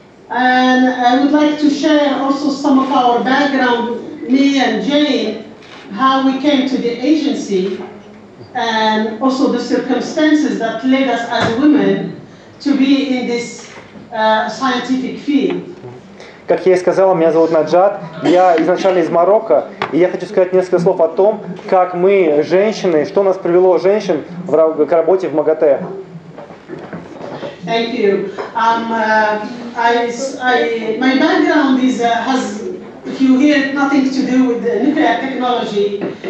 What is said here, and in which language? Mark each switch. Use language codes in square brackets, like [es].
[en] And I would like to share also some of our background, me and Jane, how we came to the agency, and also the circumstances that led us as women to be in this scientific field. [ru] Как я и сказала, меня зовут Наджат, я изначально из Марокко, и я хочу сказать несколько слов о том, как мы, женщины, что нас привело, женщин, к работе в МАГАТЭ. [en] Thank you. My background is has, if you hear, nothing to do with the nuclear technology.